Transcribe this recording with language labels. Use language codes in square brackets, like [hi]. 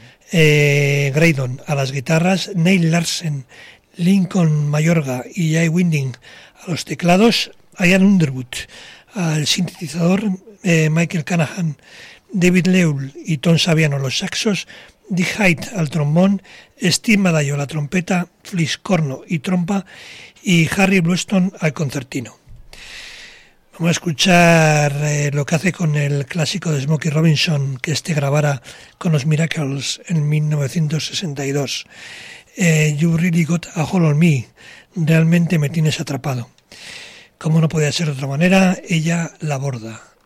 [es] Graydon a las guitarras, Neil Larsen, Lincoln Mayorga y Jay Winding a los teclados, Ian Underwood, al sintetizador, Michael Canahan, David Leul y Tom Saviano a los saxos, Dee Hyde al trombón, Steve Madayo a la trompeta, Flis Corno y trompa y Harry Bluestone al concertino. Vamos a escuchar lo que hace con el clásico de Smokey Robinson que este grabara con los Miracles en 1962. [en] You really got a hold on me. [es] Realmente me tienes atrapado. Como no podía ser de otra manera, ella la aborda.